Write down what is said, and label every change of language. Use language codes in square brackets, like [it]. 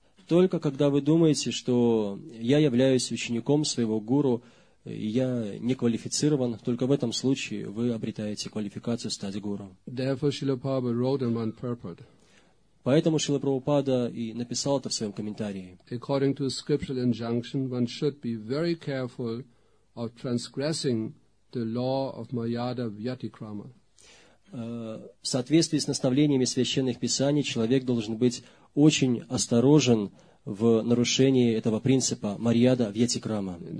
[ru] Только когда вы думаете, что я являюсь учеником своего гуру, я не квалифицирован, только в этом случае вы обретаете квалификацию стать гуру. [en] Therefore, Srila Prabhupada wrote in one purport. [ru] Поэтому Шрила Прабхупада и написал это в своем комментарии. [en] According to scriptural injunction, one should be very careful of transgressing the law of Mayada Vyatikrama. [ru] В соответствии с наставлениями священных писаний человек должен быть очень осторожен в нарушении этого принципа Мариада Вьятикрама.